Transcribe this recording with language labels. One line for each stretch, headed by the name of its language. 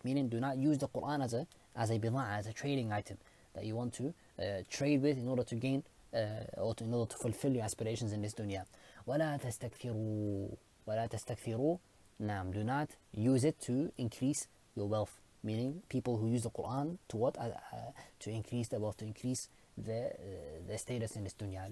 English: Meaning, do not use the Quran as a بضاعة, as a trading item. That you want to trade with in order to gain or to, in order to fulfill your aspirations in this dunya.
Arabic: ولا تستكثروا ولا تستكثروا. نعم.
English: Do not use it to increase your wealth. Meaning people who use the Quran to what? To increase their wealth, to increase their status in this dunya.